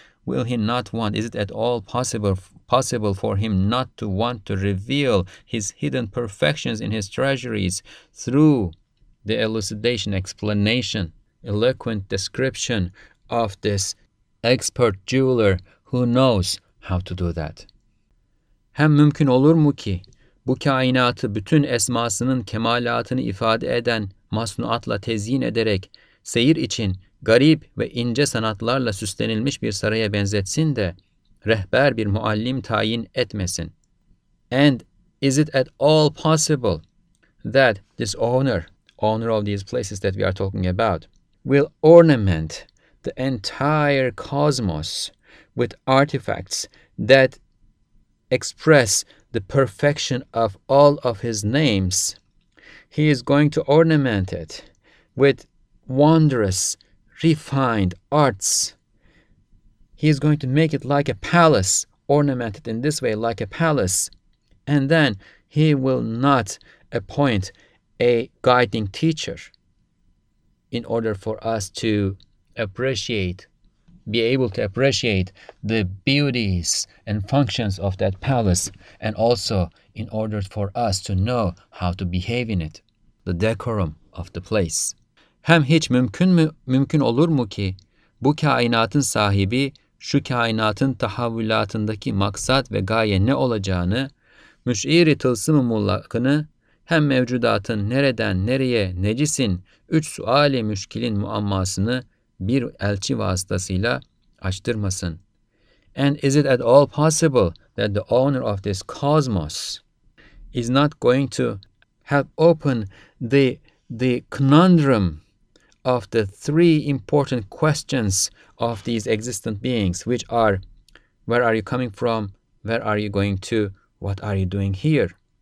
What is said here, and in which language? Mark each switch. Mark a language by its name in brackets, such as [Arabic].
[English] Will he not want, is it at all possible for him not to want to reveal his hidden perfections in his treasuries through the elucidation, explanation, eloquent description of this expert jeweler who knows how to do that. [Turkish] Hem mümkün olur mu ki bu kainatı bütün esmasının kemalatını ifade eden masnuatla tezyin ederek seyir için garip ve ince sanatlarla süslenilmiş bir saraya benzetsin de rehber bir muallim tayin etmesin? [English] And is it at all possible that this owner of these places that we are talking about, will ornament the entire cosmos with artifacts that express the perfection of all of his names? He is going to ornament it with wondrous, refined arts. He is going to make it like a palace, ornament it in this way, like a palace. And then he will not appoint a guiding teacher in order for us to appreciate, be able to appreciate the beauties and functions of that palace, and also in order for us to know how to behave in it, the decorum of the place. [Turkish] Hem hiç mümkün olur mu ki bu kainatın sahibi şu kainatın tahavvülatındaki maksat ve gaye ne olacağını, müş'iri tılsım-ı mullakını, hem mevcudatın nereden nereye necisin üç suali müşkilin muammasını bir elçi vasıtasıyla açtırmasın? [English] And is it at all possible that the owner of this cosmos is not going to help open the conundrum of the three important questions of these existent beings, which are, where are you coming from, where are you going to, what are you doing here?